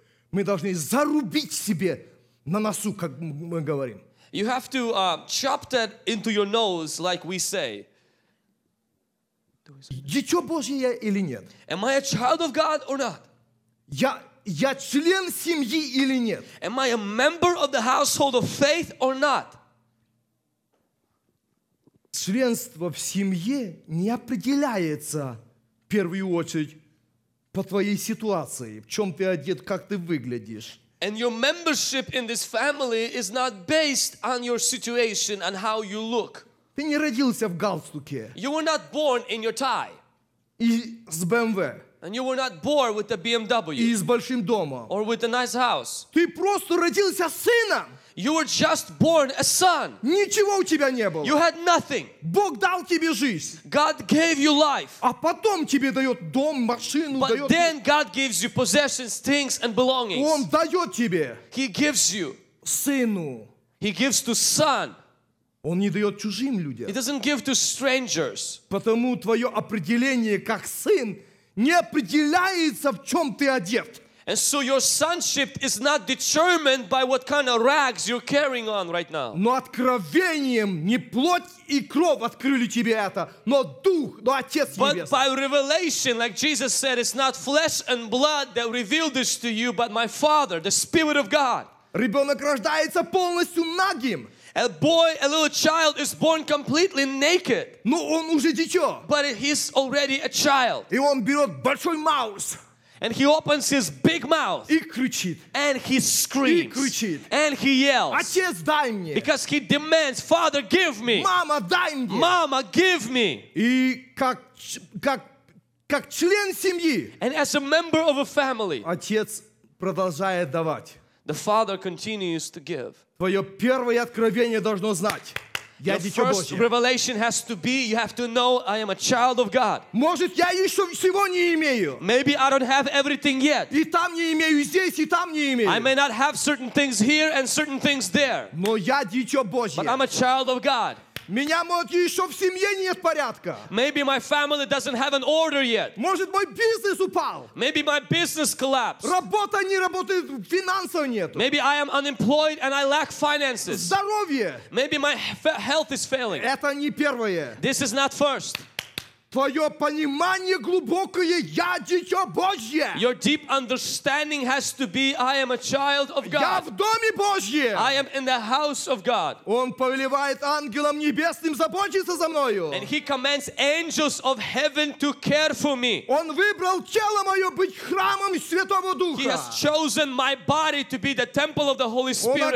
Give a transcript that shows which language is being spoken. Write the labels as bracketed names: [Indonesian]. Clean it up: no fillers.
[Russian] Мы должны зарубить себе на носу, как мы говорим. [English] You have to chop that into your nose, like we say. [Russian] Дитя Божье я или нет? [English] Am I a child of God or not? [Russian] Я член семьи или нет? [English] Am I a member of the household of faith or not? [Russian] Членство в семье не определяется в первую очередь по твоей ситуации, в чем ты одет, как ты выглядишь. [English] And your membership in this family is not based on your situation and how you look. [Russian] Ты не родился в галстуке. [English] You were not born in your tie. [Russian] И с BMW. [English] And you were not born with a BMW. [Russian] И с большим домом. [English] Or with a nice house. [Russian] Ты просто родился сыном. [English] You were just born a son. [Russian] Ничего у тебя не было. [English] You had nothing. [Russian] Бог дал тебе жизнь. [English] God gave you life. [Russian] А потом тебе дает дом, машину. [English] But then God gives you possessions, things and belongings. [Russian] Он дает тебе. [English] He gives you. [Russian] Сыну. [English] He gives to son. [Russian] Он не дает чужим людям. [English] He doesn't give to strangers. [Russian] Потому твое определение как сын не определяется, в чем ты одет. [English] And so your sonship is not determined by what kind of rags you're carrying on right now. [Russian] Но откровением не плоть и кровь открыли тебе это, но дух, но отец небесный. [English] But by revelation, like Jesus said, it's not flesh and blood that revealed this to you, but my Father, the Spirit of God. [Russian] Ребенок рождается полностью нагим. [English] A boy, a little child is born completely naked. [Russian] Но он уже дитё. [English] But he's already a child. [Russian] И он берет большой маус. [English] And he opens his big mouth. [Russian] И кричит. [English] And he screams. [Russian] И кричит. [English] And he yells. [Russian] Отец, дай мне. [English] Because he demands, Father, give me. [Russian] Мама, дай мне. [English] Mama, give me. [Russian] И как член семьи. [English] And as a member of a family. [Russian] Отец продолжает давать. [English] The father continues to give. [Russian] Твое первое откровение должно знать. Я [English] Your first [Russian] Божье. [English] Revelation has to be, you have to know, I am a child of God. [Russian] Может, я еще всего не имею. [English] Maybe I don't have everything yet. [Russian] И там не имею, и здесь, и там не имею. [English] I may not have certain things here and certain things there. [Russian] Но я дитя Божье. [English] But I'm a child of God. [Russian] Меня, может, еще в семье нет порядка. [English] Maybe my family doesn't have an order yet. [Russian] Может, мой бизнес упал. [English] Maybe my business collapsed. [Russian] Работа не работает, финансов нет. [English] Maybe I am unemployed and I lack finances. [Russian] Здоровье. [English] Maybe my health is failing. [Russian] Это не первое. [English] This is not first. [Russian] Твое понимание глубокое, я дитя Божье. [English] Your deep understanding has to be, I am a child of God. [Russian] Я в доме Божьем. [English] I am in the house of God. [Russian] Он повелевает ангелам небесным заботиться за мною. [English] And he commands angels of heaven to care for me. [Russian] Он выбрал тело мое быть храмом Святого Духа. [English] He has chosen my body to be the temple of the Holy Spirit.